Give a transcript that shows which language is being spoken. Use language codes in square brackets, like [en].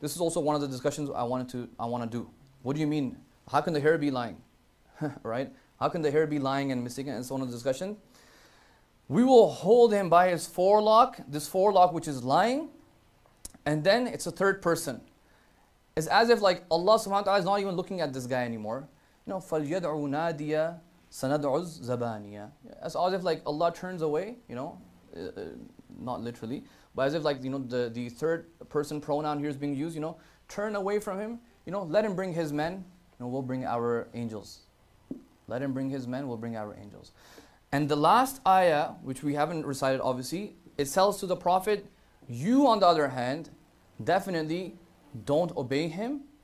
[en] This is also one of the discussions I want to do. What do you mean? How can the hair be lying? Right? How can the hair be lying and mistaken? It's one of the discussions. We will hold him by his forelock, this forelock which is lying, and then it's a third person. It's as if like Allah subhanahu wa ta'ala is not even looking at this guy anymore. You know, [ar] فَلْيَدْعُوا نَادِيَا سَنَدْعُوا الزَّبَانِيَا. [en] It's as if like Allah turns away, you know, not literally, but as if like, you know, the third person pronoun here is being used, you know, turn away from him, you know, let him bring his men, you know, we'll bring our angels. Let him bring his men, we'll bring our angels. And the last ayah, which we haven't recited obviously, it tells to the Prophet, you on the other hand, definitely, don't obey him.